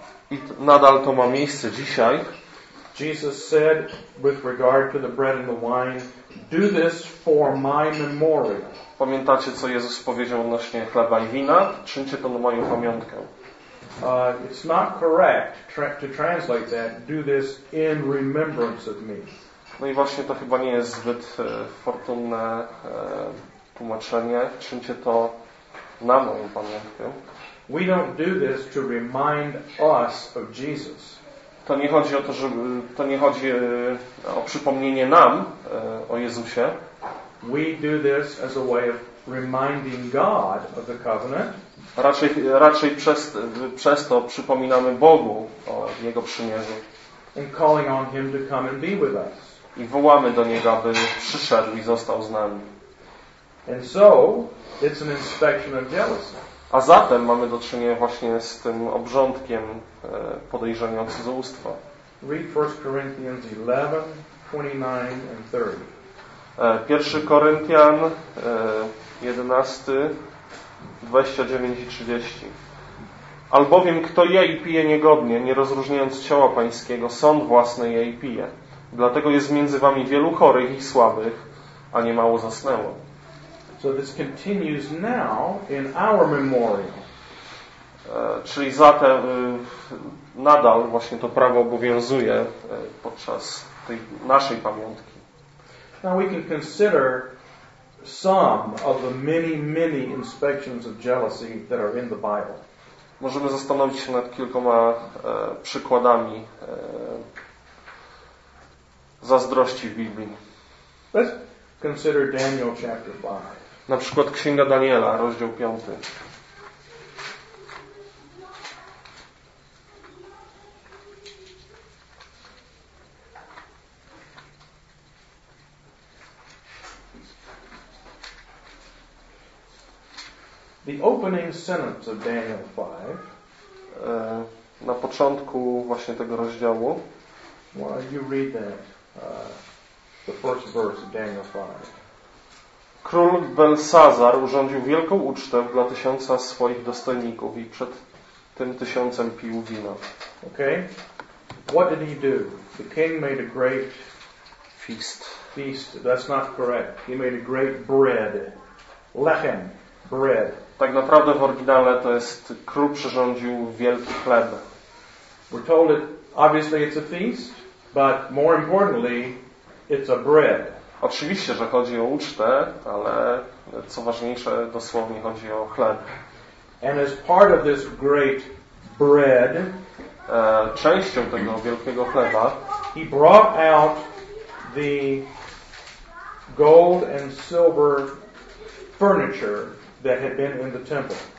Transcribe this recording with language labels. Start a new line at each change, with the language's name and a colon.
Polish: I nadal to ma miejsce dzisiaj.
English: Jesus said with regard to the bread and the wine, do this for my memorial.
Polish: Pamiętacie, co Jezus powiedział odnośnie chleba i wina? Czyńcie to na moją pamiątkę.
English: It's not correct to translate that, do this in remembrance of me.
Polish: No i właśnie to chyba nie jest zbyt fortunne tłumaczenie. Czyńcie to na moją pamiątkę.
English: We don't do this to remind us of Jesus.
Polish: To nie chodzi o to, żeby, to nie chodzi o przypomnienie nam o Jezusie.
English: We do this as a way of reminding God of the covenant.
Polish: Raczej przez to przypominamy Bogu o Jego przymierzu.
English: And calling on Him to come and be with us.
Polish: I wołamy do Niego, aby przyszedł i został z nami.
English: And so, it's an inspection of jealousy.
Polish: A zatem mamy do czynienia właśnie z tym obrządkiem podejrzenia o cudzołóstwo.
English: Read 1 Corinthians 11, 29 and 30.
Polish: 1 Koryntian 11, 29 i 30. Albowiem kto je i pije niegodnie, nie rozróżniając ciała Pańskiego, sąd własny je i pije. Dlatego jest między wami wielu chorych i słabych, a niemało zasnęło.
English: So this continues now in our memorial.
Polish: Czyli zatem nadal właśnie to prawo obowiązuje podczas tej naszej pamiątki.
English: Now we can consider some of the many, many inspections of jealousy that are in the Bible.
Polish: Możemy zastanowić się nad kilkoma przykładami zazdrości w Biblii.
English: Let's consider Daniel chapter 5.
Polish: Na przykład Księga Daniela, rozdział 5.
English: The opening sentence of Daniel 5.
Polish: Na początku właśnie tego rozdziału.
English: Why you read that? The first verse of Daniel 5.
Polish: Król Belsazar urządził wielką ucztę dla tysiąca swoich dostojników i przed tym tysiącem pił wino.
English: Okay. What did he do? The king made a great feast. That's not correct. He made a great bread. Lechem. Bread.
Polish: Tak naprawdę w oryginale to jest król przyrządził wielki chleb.
English: We're told it, obviously it's a feast, but more importantly, it's a bread.
Polish: Oczywiście, że chodzi o ucztę, ale co ważniejsze, dosłownie chodzi o chleb.
English: And as part of this great bread,
Polish: częścią tego wielkiego chleba,
English: he brought out the gold and silver furniture that had been in the temple.